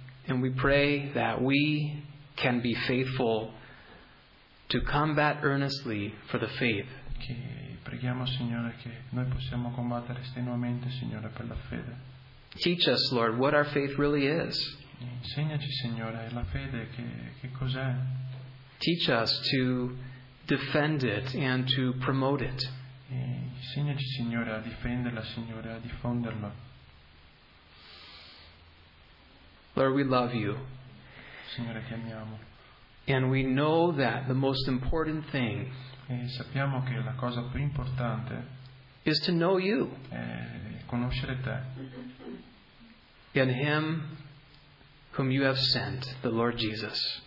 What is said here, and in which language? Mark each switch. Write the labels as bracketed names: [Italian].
[English] And we pray that we can be faithful to combat earnestly for the faith. [Italian] Che preghiamo, Signore, che noi possiamo combattere strenuamente, Signore, per la fede. [English] Teach us, Lord, what our faith really is. [Italian] Insegnaci, Signore, la fede che cos'è. [English] Teach us to defend it and to promote it. [Italian] Insegnaci, Signore, a difenderla, Signore, a diffonderla. [English] Lord, we love you. [Italian] Signore, ti amiamo. [English] And we know that the most important thing. [Italian] E sappiamo che la cosa più importante [English] is to know you. [Italian] È conoscere te. [English] And him whom you have sent, the Lord Jesus.